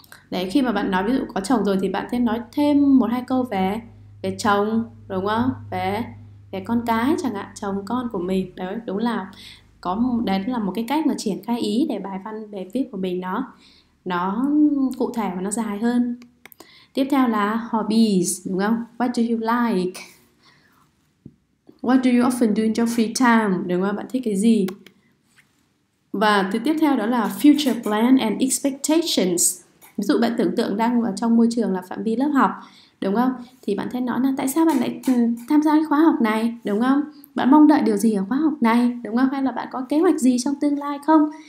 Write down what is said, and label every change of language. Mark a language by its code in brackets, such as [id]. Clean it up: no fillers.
[vi] Đấy, khi mà bạn nói ví dụ có chồng rồi thì bạn sẽ nói thêm một hai câu về về chồng, đúng không? Về về con cái chẳng hạn, chồng con của mình. Đấy, đúng là có, đấy là một cái cách mà triển khai ý để bài văn bài viết của mình nó cụ thể và nó dài hơn. Tiếp theo là hobbies, đúng không? [en] What do you like? What do you often do in your free time? [vi] Đúng không? Bạn thích cái gì? Và thứ tiếp theo đó là [en] future plan and expectations. [vi] Ví dụ bạn tưởng tượng đang ở trong môi trường là phạm vi lớp học, đúng không? Thì bạn sẽ nói là tại sao bạn lại tham gia cái khóa học này, đúng không? Bạn mong đợi điều gì ở khóa học này, đúng không? Hay là bạn có kế hoạch gì trong tương lai không?